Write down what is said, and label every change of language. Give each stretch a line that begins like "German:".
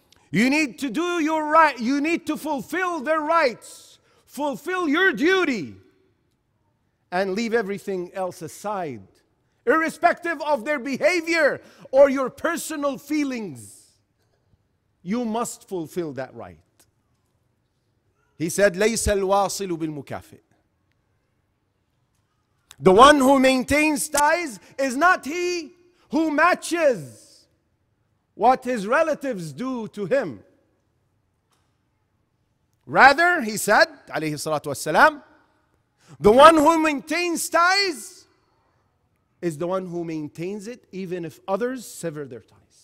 English: You need to do your right. You need to fulfill their rights. Fulfill your duty. And leave everything else aside, irrespective of their behavior or your personal feelings. You must fulfill that right. He said,
Arabic: ليس الواصل بالمكافئ.
English: The one who maintains ties is not he who matches what his relatives do to him. Rather, he said, alayhi salatu wassalam, the one who maintains ties is the one who maintains it even if others sever their ties.